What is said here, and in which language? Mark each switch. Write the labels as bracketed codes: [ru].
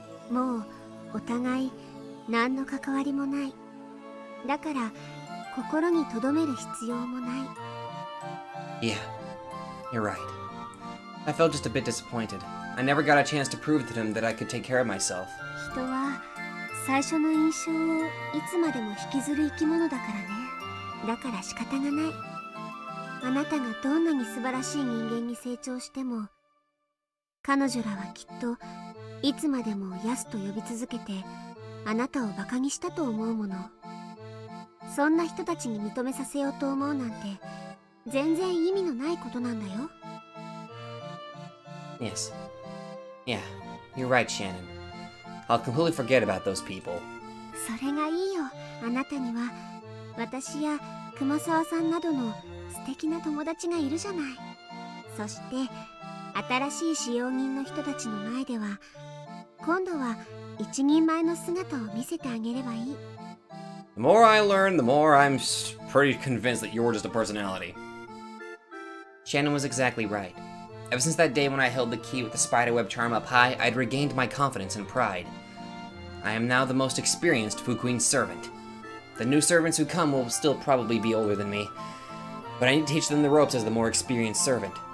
[ja] もうお互い何の関わりもない。だから心に留める必要もない。 [en] Yeah, you're right. I felt just a bit disappointed. I never got a chance to prove to them that I could take care of myself. [ja] 人は最初の印象をいつまでも引きずる生き物だからね。だから仕方がない。あなたがどんなに素晴らしい人間に成長しても彼女らはきっといつまでもヤスと呼び続けてあなたをバカにしたと思うもの。そんな人たちに認めさせようと思うなんて全然意味のないことなんだよ。 [en] Yes. Yeah, you're right, Shannon. I'll completely forget about those people. [ja] それがいいよ。あなたには私や熊沢さんなどの素敵な友達がいるじゃない。そして新しい使用人の人たちの前では今度は一人前の姿を見せてあげればいい。 [en] The more I learn, the more I'm pretty convinced that you're just a personality. Shannon was exactly right. Ever since that day when I held the key with the spiderweb charm up high, I'd regained my confidence and pride. I am now the most experienced Fuqueen's servant. The new servants who come will still probably be older than me, but I need to teach them the ropes as the more experienced servant.